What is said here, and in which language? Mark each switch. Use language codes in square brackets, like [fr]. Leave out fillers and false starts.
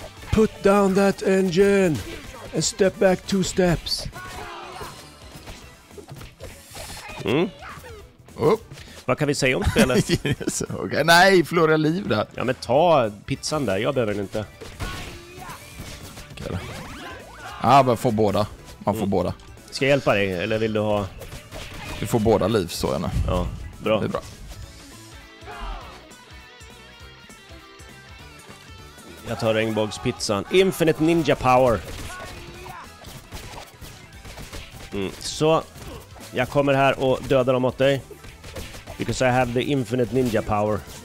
[en] Put down that engine and step back two steps. Mm. Oh. [sv] Vad kan vi säga om spelet? Okay. Nej, förlora liv där. Ja, men ta pizzan där. Jag behöver den inte. Okay. Ah, men får båda. Man får båda. Ska jag hjälpa dig eller vill du ha? Du får båda liv så gärna. Ja, bra. Det är bra. Jag tar regnbågspizzan. [en] Infinite Ninja Power. [sv] Mm. Så jag kommer här och dödar dem åt dig. [en] Because I have the infinite ninja power.